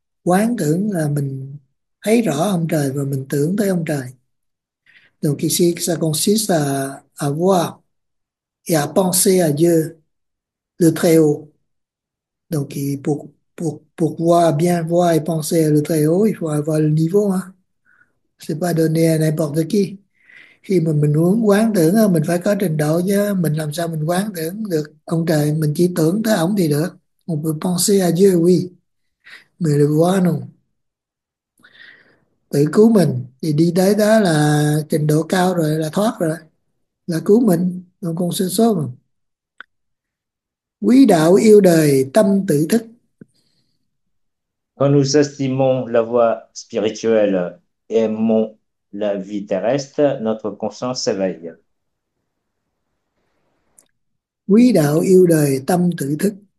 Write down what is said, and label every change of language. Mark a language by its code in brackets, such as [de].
[vi] Quán tưởng là mình thấy rõ ông trời và mình tưởng tới ông trời. [fr] Donc ici, ça consiste à voir et à penser à Dieu, le Très-Haut. Donc pour voir, bien voir et penser à le Très-Haut, il faut avoir le niveau, hein. C'est pas donné à n'importe qui. [vi] Khi mà mình muốn quán tưởng mình phải có trình độ chứ, mình làm sao mình quán tưởng được ông trời, mình chỉ tưởng tới ổng thì được. [fr] Một peut penser à Dieu, oui. Mais le voir non. [vi] Tự cứu mình thì đi tới đó là trình độ cao rồi, là thoát rồi. Là cứu mình, nó còn sinh số mà. Quý đạo yêu đời tâm tự thức. [fr] Quand nous estimons la voie spirituelle et aimons la vie terrestre, notre conscience s'éveille. [vi] Quý đạo yêu đời tâm tự thức.